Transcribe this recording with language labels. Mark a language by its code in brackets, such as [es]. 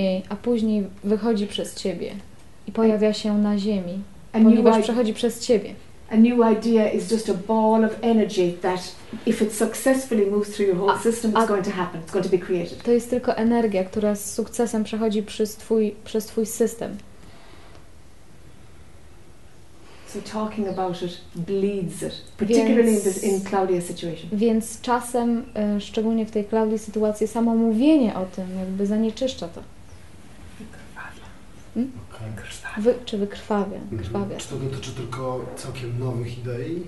[pl] A później wychodzi przez ciebie i pojawia się na ziemi, ponieważ przechodzi przez ciebie. [en] A new idea is just a ball of energy that if it successfully moves through your whole system it's going to happen, it's going to be created. [pl] To jest tylko energia, która z sukcesem przechodzi przez twój system. [en] So talking about it bleeds it, particularly in Claudia's situation. [pl] Więc czasem, szczególnie w tej Claudii sytuacji, samo mówienie o tym jakby zanieczyszcza to. Czy wykrwawia? Krwawia. Czy to dotyczy tylko całkiem nowych idei?